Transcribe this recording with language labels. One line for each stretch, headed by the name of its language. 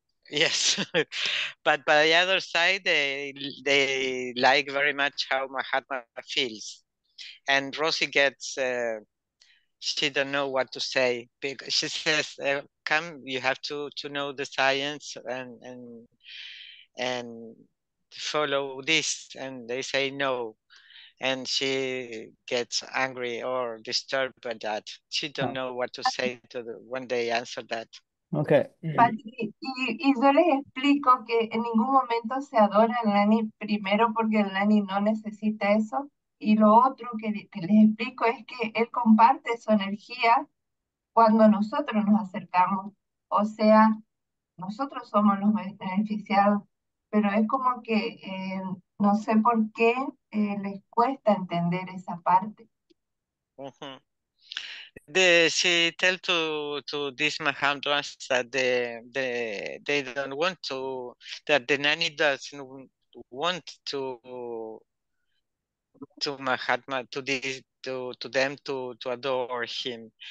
English: Yes, but by the other side, they like very much how Mahatma feels, and Rosie gets she don't know what to say because she says, "Come, you have to know the science and follow this," and they say no, and she gets angry or disturbed by that. She don't know what to say to the, when they answer that. Okay.
Spanish: Y yo les explico que en ningún momento se adora al Nani primero porque el Nani no necesita eso. Y lo otro que les explico es que él comparte su energía cuando nosotros nos acercamos. O sea, nosotros somos los beneficiados. Pero es como que no sé por qué les cuesta entender esa parte. Uh-huh.
English: She tell to these Mahantras that they don't want to, that the Nani doesn't want to Mahatma, to this, to them to adore him.